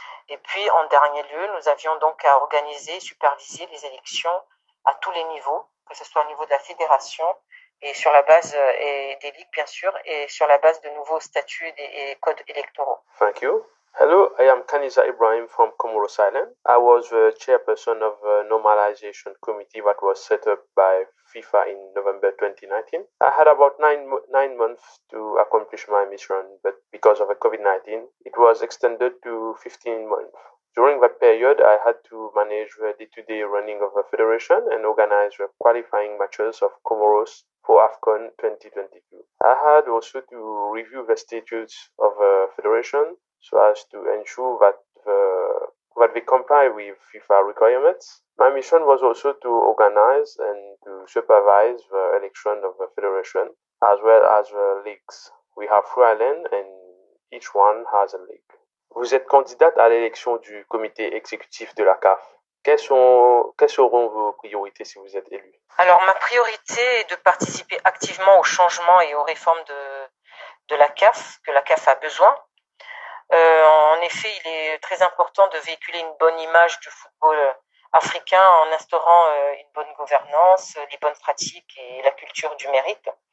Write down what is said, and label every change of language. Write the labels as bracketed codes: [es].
[fr] Et puis, en dernier lieu, nous avions donc à organiser et superviser les élections à tous les niveaux, que ce soit au niveau de la fédération et sur la base et des ligues, bien sûr, et sur la base de nouveaux statuts et codes électoraux. [en] Thank you. Hello, I am Kaniza Ibrahim from Comoros Island. I was the chairperson of the normalization committee that was set up by FIFA in November 2019. I had about nine months to accomplish my mission, but because of the COVID-19, it was extended to 15 months. During that period, I had to manage the day-to-day running of the federation and organize the qualifying matches of Comoros for AFCON 2022. I had also to review the statutes of the federation, so as to ensure that we comply with FIFA requirements. My mission was also to organize and to supervise the election of the federation, as well as the leagues. We have three islands and each one has a league. [fr] Vous êtes candidate à l'élection du comité exécutif de la CAF. Quelles seront vos priorités si vous êtes élue? Alors, ma priorité est de participer activement aux changements et aux réformes de la CAF, que la CAF a besoin. En effet, il est très important de véhiculer une bonne image du football africain en instaurant une bonne gouvernance, les bonnes pratiques et la culture du mérite.